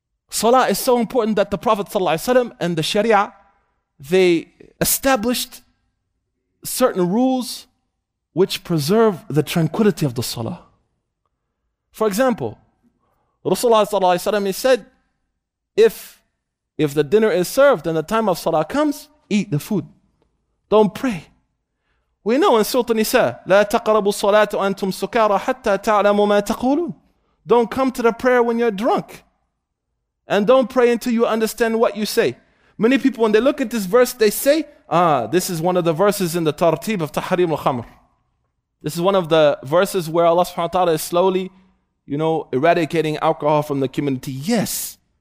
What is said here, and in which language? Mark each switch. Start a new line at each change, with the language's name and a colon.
English: Salah is so important that the Prophet sallallahu alaihi wasallam and the Sharia, they established certain rules which preserve the tranquility of the salah. For example, Rasulullah sallallahu alaihi wasallam, he said, if If the dinner is served and the time of salah comes, eat the food. Don't pray. We know in Surah An-Nisa,
Arabic: لا تقربوا الصلاة وأنتم سكارى حتى تعلموا ما تقولون.
English: Don't come to the prayer when you're drunk. And don't pray until you understand what you say. Many people, when they look at this verse, they say, ah, this is one of the verses in the tartib of Tahrim al-Khamr. This is one of the verses where Allah subhanahu wa ta'ala is slowly, you know, eradicating alcohol from the community. Yes.